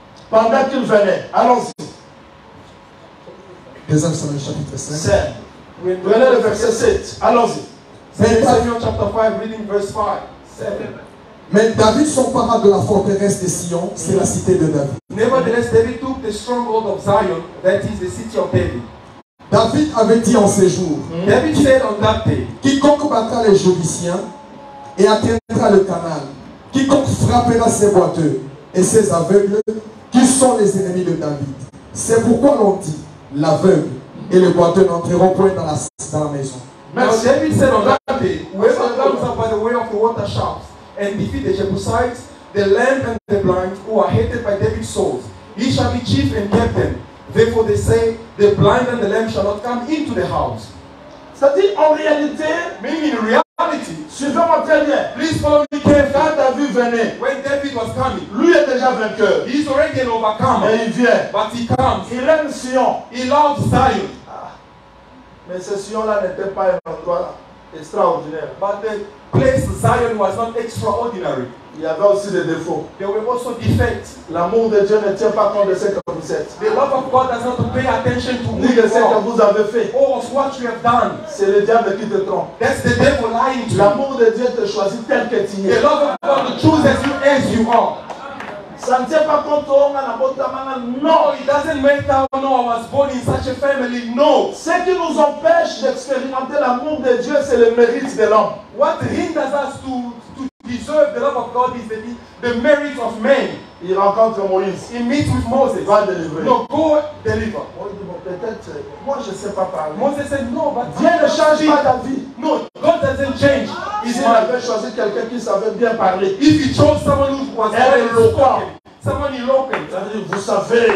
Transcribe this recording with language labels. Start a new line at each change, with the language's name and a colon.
French: Pendant qu'il venait, allons-y. 2 Samuel chapitre 5. Prenez le verset 7. Allons-y. 2 Samuel chapitre 5,
English: reading verse 5.
French: 7. Mais David s'empara de la forteresse de Sion, c'est la cité de David.
English: Nevertheless, David took the stronghold of Zion, that is the city of David.
French: David avait dit en ses jours,
English: David said on that day,
French: quiconque battra les Jébusiens et atteindra le canal, quiconque frappera ses boiteux et ses aveugles, qui sont les ennemis de David. C'est pourquoi l'on dit, l'aveugle et le boiteux n'entreront point dans la maison.
English: Now David said on that day, whoever comes up by the way of the water shafts and defeat the Jebusites, the lame and the blind, who are hated by David's souls, he shall be chief and captain. Therefore they say, the blind and the lame shall not come into the house.
French: C'est-à-dire en réalité,
English: meaning in reality,
French: suivez-moi très bien,
English: please follow me carefully.
French: Quand David venait,
English: when David was coming,
French: lui est déjà vainqueur,
English: he is already an overcomer,
French: et il vient,
English: but he comes,
French: il aime Sion,
English: he loves Zion.
French: Mais ce Sion-là n'était pas un endroit extraordinaire.
English: But the place Zion was not extraordinary.
French: Il y avait aussi des défauts.
English: There were also defects.
French: L'amour de Dieu ne tient pas compte de ce que vous êtes.
English: The love of God does not pay attention to
French: ni de ce que vous avez fait.
English: Or what you have done.
French: C'est le diable qui te trompe.
English: That's the devil lying to you.
French: L'amour de Dieu te choisit tel que tu es.
English: The love of God chooses you as you are.
French: Ça ne tient pas compte qu'on a la bonne maman.
English: Non, it doesn't matter. No, I was born in such a family. No.
French: Ce qui nous empêche d'expérimenter l'amour de Dieu, c'est le mérite de l'homme.
English: What hinders us to deserve the love of God is the merit of man.
French: Il rencontre Moïse.
English: He meets with Moses.
French: Va délivrer.
English: No, go deliver.
French: Peut-être, moi je ne sais pas parler.
English: Moses said no, but
French: Dieu ne change pas ta vie.
English: No, God doesn't change.
French: Il avait choisi quelqu'un qui savait bien parler.
English: If he chose someone who was eloquent, someone eloquent.
French: Vous savez,